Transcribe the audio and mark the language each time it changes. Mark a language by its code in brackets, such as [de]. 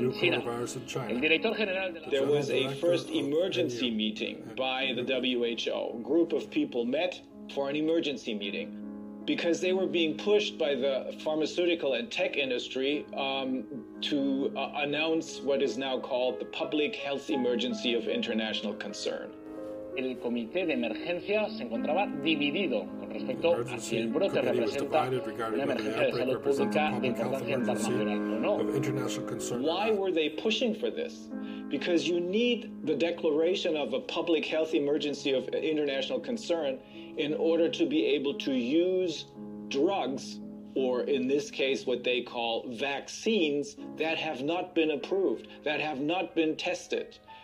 [en] There was a first emergency meeting by the WHO. A group of people met for an emergency meeting because they were being pushed by the pharmaceutical and tech industry to announce what is now called the public health emergency of international concern. [es] El comité de emergencia se encontraba dividido con respecto a si el brote representa una emergencia de salud pública de importancia internacional o no. [en] Why were they pushing for this? Because you need the declaration of a public health emergency of international concern in order to be able to use drugs, or in this case what they call vaccines, that have not been approved, that have not been tested.